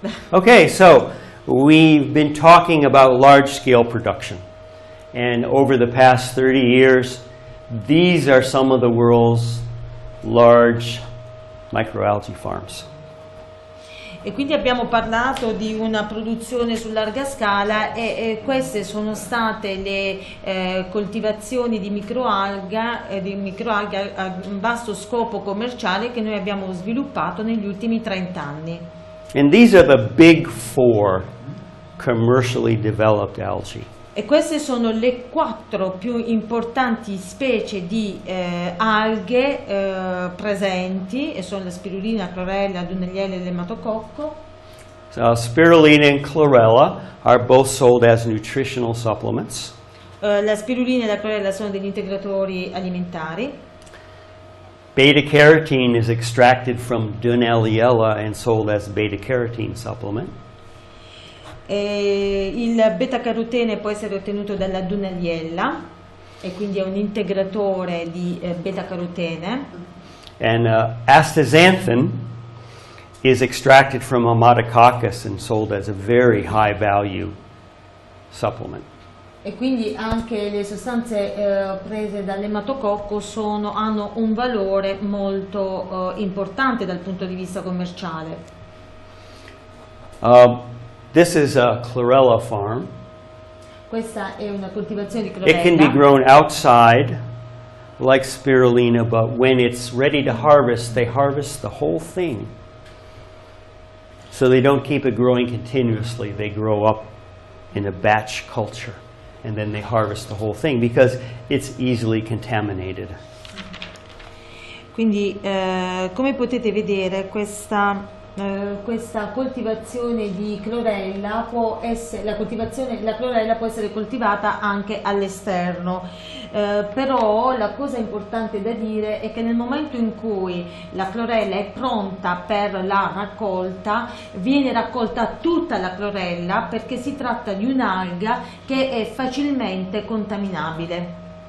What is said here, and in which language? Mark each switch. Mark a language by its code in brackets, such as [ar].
[en] Okay, so we've been talking about large-scale production, and over the past 30 years, these are some of the world's large microalgae farms. [it] E quindi abbiamo parlato di una produzione su larga scala, e queste sono state le coltivazioni di microalghe a un vasto scopo commerciale che noi abbiamo sviluppato negli ultimi 30 anni. [en] And these are the big 4 commercially developed algae. [it] E queste sono le 4 più importanti specie di alghe presenti, e sono la spirulina, chlorella, dunelliella e l'ematococco. [en] So spirulina and chlorella are both sold as nutritional supplements. [it] La spirulina e la chlorella sono degli integratori alimentari. [en] Beta-carotene is extracted from Dunelliella and sold as beta-carotene supplement. [it] E il beta-carotene può essere ottenuto dalla Dunelliella, e quindi è un integratore di beta-carotene. [en] And astaxanthin is extracted from Ammotococcus and sold as a very high-value supplement. [it] E quindi anche le sostanze prese dall'ematococco hanno un valore molto importante dal punto di vista commerciale. [en] This is a chlorella farm. [it] Questa è una coltivazione di chlorella. [en] It can be grown outside like spirulina, but when it's ready to harvest, they harvest the whole thing. So they don't keep it growing continuously, they grow up in a batch culture. And then they harvest the whole thing because it's easily contaminated. [it] Quindi come potete vedere, questa coltivazione di clorella può essere la clorella può essere coltivata anche all'esterno, però la cosa importante da dire è che nel momento in cui la clorella è pronta per la raccolta, viene raccolta tutta la clorella, perché si tratta di un'alga che è facilmente contaminabile.